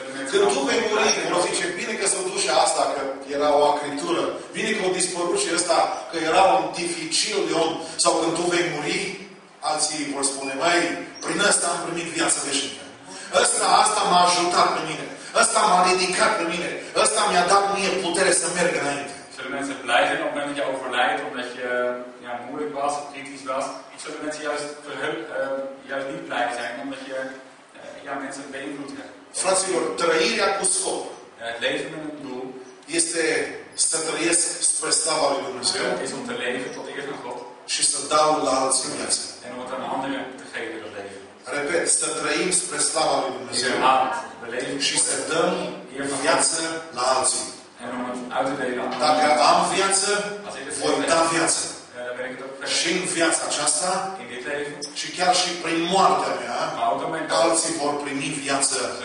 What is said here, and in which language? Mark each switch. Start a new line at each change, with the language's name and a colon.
Romanian: Când tu vei muri, vor zice, bine că s-a dus și asta, că era o acritură. Bine că a dispărut și ăsta, că era un dificil de om. Sau când tu vei muri, alții vor spune, băi, prin ăsta am primit viața veșnică. Asta m-a ajutat pe mine. Asta m-a ridicat pe mine. Asta mi-a dat mie putere să merg înainte.
Dutch: Zullen mensen blij zijn op het moment dat je overlijdt, omdat je ja, moeilijk was, kritisch was? Zullen mensen juist niet blij zijn, omdat je ja, mensen beïnvloed hebt?
Romanian: Fraților, trăirea cu scop
Dutch: leven met een doel
Romanian: este să trăiesc spre slava lui Dumnezeu
Dutch: is om te leven tot eer van God
Romanian: și să dau la alții viață.
Dutch: En om het aan anderen te geven dat leven.
Romanian: Repet, să trăim spre slava lui Dumnezeu și să dăm viață la alții.
Dutch: En om het uit te delen.
Romanian: Dacă am viață, voi da viață. Și în viața aceasta și chiar și prin moartea mea alții vor primi viață.